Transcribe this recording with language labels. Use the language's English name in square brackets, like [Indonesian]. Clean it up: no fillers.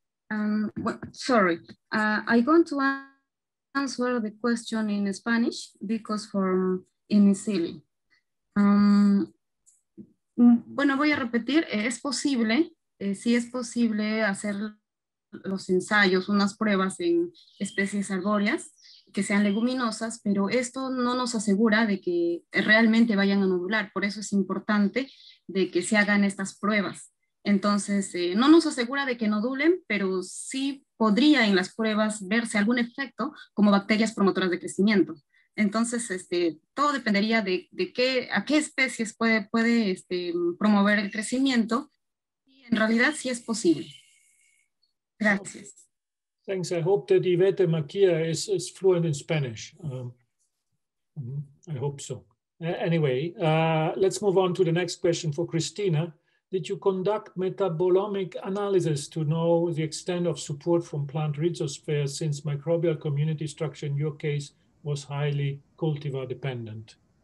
[English] I'm going to answer the question in Spanish because from in Chile. [Spanish] Bueno, voy a repetir. Es posible, sí es posible hacer los ensayos, unas pruebas en especies arbóreas que sean leguminosas, pero esto no nos asegura de que realmente vayan a nodular. Por eso es importante de que se hagan estas pruebas. Entonces, no nos asegura de que nodulen, pero sí podría en las pruebas verse algún efecto como bacterias promotoras de crecimiento. Entonces, todo dependería de qué, a qué especies puede promover el crecimiento. Y en realidad, sí es posible. Gracias. [English] Thanks. I hope that Ivete Maquia is fluent in Spanish. I hope so. Anyway, let's move on to the next question for Christina. Did you conduct metabolomic analysis to know the extent of support from plant rhizosphere since microbial community structure in your case was highly cultivar dependent?